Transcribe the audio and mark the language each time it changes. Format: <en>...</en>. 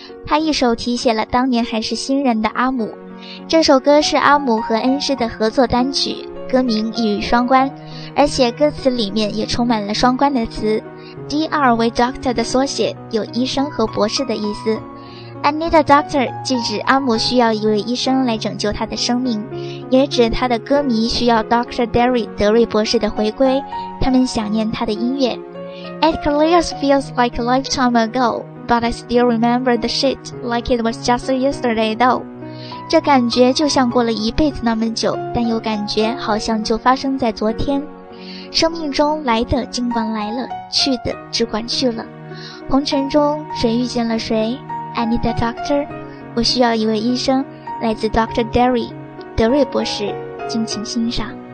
<zh>他一手提写了当年还是新人的阿姆，这首歌是阿姆和恩师的合作单曲，歌名一语双关，而且歌词里面也充满了双关的词。 DR 为 Doctor 的缩写，有医生和博士的意思。 I need a doctor 即指阿姆需要一位医生来拯救他的生命，也指他的歌迷需要 Dr. Derry 德瑞博士的回归，他们想念他的音乐。</zh> <en>It clears feels like a lifetime ago, but I still remember the shit like it was just yesterday though。</en> <zh>这感觉就像过了一辈子那么久，但又感觉好像就发生在昨天。生命中来的尽管来了，去的只管去了。红尘中谁遇见了谁？ I need a doctor， 我需要一位医生，来自 Dr. Derry 德瑞博士，敬请欣赏。</zh>